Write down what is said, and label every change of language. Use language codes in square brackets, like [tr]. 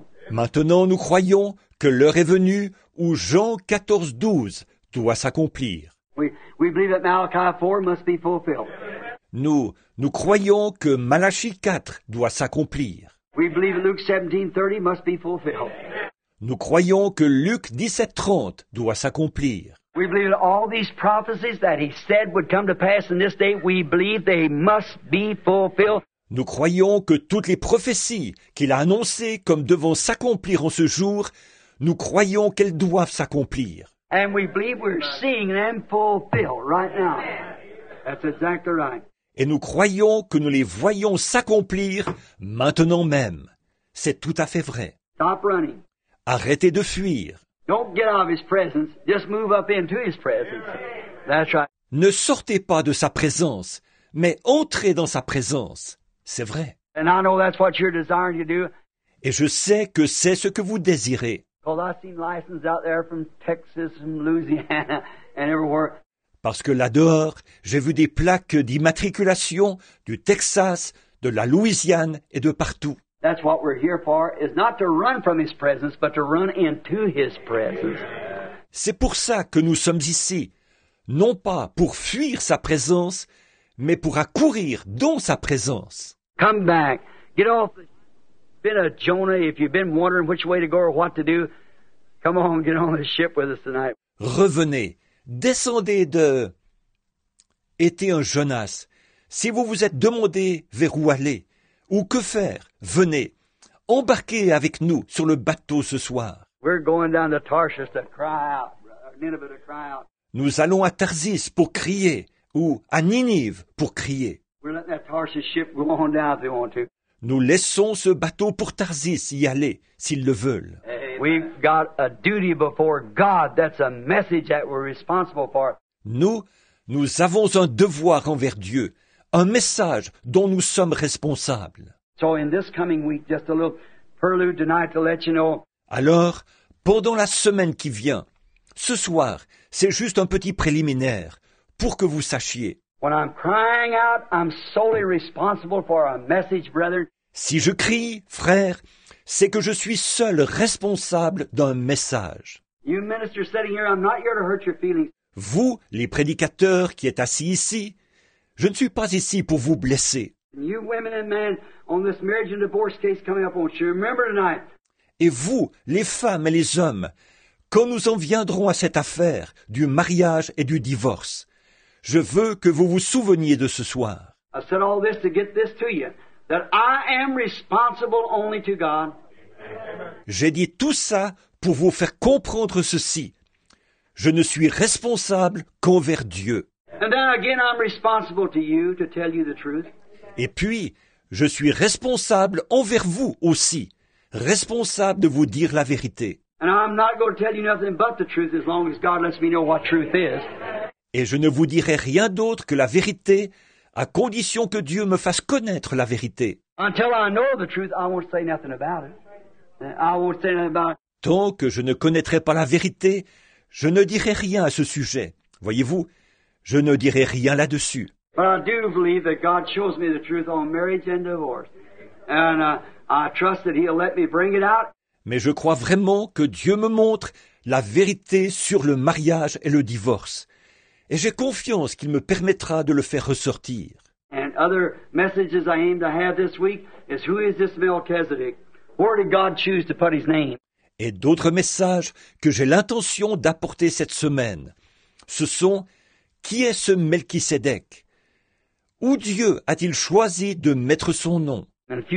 [fr] Maintenant, nous croyons que l'heure est venue où Jean 14, 12 doit s'accomplir. [en] We believe that Malachi 4 must be fulfilled. [fr] Nous croyons que Malachie 4 doit s'accomplir. [en] We believe Luke 17, 30 must be fulfilled. [fr] Nous croyons que Luc 17, 30 doit s'accomplir. [en] We believe that all these prophecies that he said would come to pass in this day, we believe they must be fulfilled. [fr] Nous croyons que toutes les prophéties qu'il a annoncées comme devant s'accomplir en ce jour, nous croyons qu'elles doivent s'accomplir. [en] And we believe we're seeing them fulfilled right now. That's exactly right. [fr] Et nous croyons que nous les voyons s'accomplir maintenant même. C'est tout à fait vrai. [en] Stop running. [fr] Arrêtez de fuir. [en] Don't get out of his presence, just move up into his presence. That's right. [fr] Ne sortez pas de sa présence, mais entrez dans sa présence. C'est vrai. [en] And I know that's what you're desiring to do. [fr] Et je sais que c'est ce que vous désirez. [en] Well, I've seen licenses out there from Texas and Louisiana and everywhere. [fr] Parce que là-dehors, j'ai vu des plaques d'immatriculation du Texas, de la Louisiane et de partout. [en] That's what we're here for, is not to run from His presence, but to run into His presence. [fr] C'est pour ça que nous sommes ici, non pas pour fuir sa présence, mais pour accourir dans sa présence. [en] Come back. Get off. Been a Jonah, if you've been wondering which way to go or what to do, come on, get on the ship with us tonight. [fr] Revenez. Descendez de... Était un Jonas. Si vous vous êtes demandé vers où aller, ou que faire, venez. Embarquez avec nous sur le bateau ce soir. [en] We're going down to Tarshish to cry out, Nineveh to cry out. [fr] Nous allons à Tarsis pour crier, ou à Ninive pour crier. [en] We're letting that Tarshish ship go on down if they want to. [fr] Nous laissons ce bateau pour Tarsis y aller, s'ils le veulent. [en] We've got a duty before God. That's a message that we're responsible for. [fr] Nous avons un devoir envers Dieu, un message dont nous sommes responsables. [en] So in this coming week, just a little prelude tonight to let you know. [fr] Alors, pendant la semaine qui vient, ce soir, c'est juste un petit préliminaire pour que vous sachiez. [en] When I'm crying out, I'm solely responsible for a message, brethren. [fr] Si je crie, frère, c'est que je suis seul responsable d'un message. [en] You ministers sitting here, I'm not here to hurt your feelings. [fr] Vous, les prédicateurs qui êtes assis ici, je ne suis pas ici pour vous blesser. [en] You women and men on this marriage and divorce case coming up, won't you remember tonight? [fr] Et vous, les femmes et les hommes, quand nous en viendrons à cette affaire du mariage et du divorce, je veux que vous vous souveniez de ce soir. [en] I said all this to get this to you, that I am responsible only to God. [fr] J'ai dit tout ça pour vous faire comprendre ceci. Je ne suis responsable qu'envers Dieu. [en] And then again, I'm responsible to you to tell you the truth. [fr] Et puis, je suis responsable envers vous aussi, responsable de vous dire la vérité. [en] And I'm not going to tell you nothing but the truth as long as God lets me know what truth is. [fr] Et je ne vous dirai rien d'autre que la vérité à condition que Dieu me fasse connaître la vérité. [en] Until I know the truth, I won't say nothing about it. I won't say nothing about it. [fr] Tant que je ne connaîtrai pas la vérité, je ne dirai rien à ce sujet. Voyez-vous, je ne dirai rien là-dessus. [en] But I do believe that God shows me the truth on marriage and divorce. And I trust that He'll let me bring it out. [fr] Mais je crois vraiment que Dieu me montre la vérité sur le mariage et le divorce. Et j'ai confiance qu'il me permettra de le faire ressortir. [en] And other messages I aim to have this week is who is this Melchizedek? Where did God choose to put his name? [fr] Et d'autres messages que j'ai l'intention d'apporter cette semaine, ce sont « Qui est ce Melchisédek ? Où Dieu a-t-il choisi de mettre son nom ?»